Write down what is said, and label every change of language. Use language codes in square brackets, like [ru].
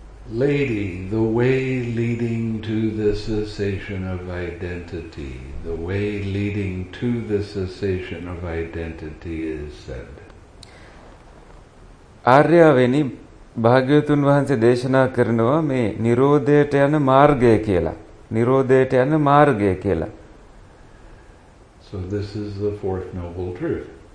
[en] Lady, the way leading to the cessation of identity, the way leading to the cessation of identity is said. [si] ආර්යවෙනි භාග්‍යවතුන් වහන්සේ දේශනා කරනවා මේ නිරෝධයට යන මාර්ගය කියලා. නිරෝධයට යන මාර්ගය කියලා. [en] So this is the fourth noble truth.